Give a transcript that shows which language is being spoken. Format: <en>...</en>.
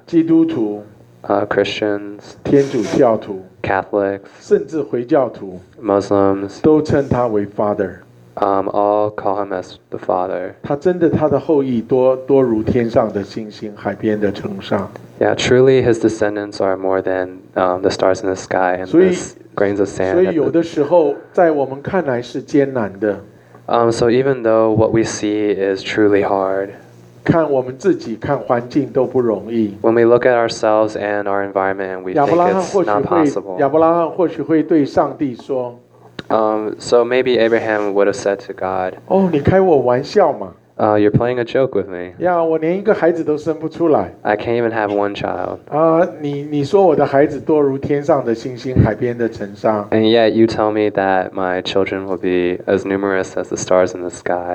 <zh>基督徒</zh> <en>Christians,</en> <zh>天主教徒</zh> <en>Catholics,</en> <zh>甚至回教徒</zh> <en>Muslims,</en> <zh>都称他为 Father.</zh> <en>All call him as the father.</en> <zh>他真的他的后裔多如天上的星星，海边的城上。</zh> <en>Yeah, truly his descendants are more than the stars in the sky and the grains of sand.</en> <zh>所以有的时候在我们看来是艰难的。</zh> <en>So even though what we see is truly hard.</en> <zh>看我们自己看环境都不容易。</zh> <en>When we look at ourselves and our environment, we think it's not possible.</en> <zh>亚伯拉罕或许会对上帝说。</zh> <en>So maybe Abraham would have said to God,</en> <zh>Oh, 你开我玩笑吗?</zh> <en>You're playing a joke with me.</en> <zh>Yeah, 我连一个孩子都生不出来。</zh> <en>I can't even have one child.</en> <zh>你说我的孩子多如天上的星星，海边的城上。</zh> <en>And yet you tell me that my children will be as numerous as the stars in the sky.</en>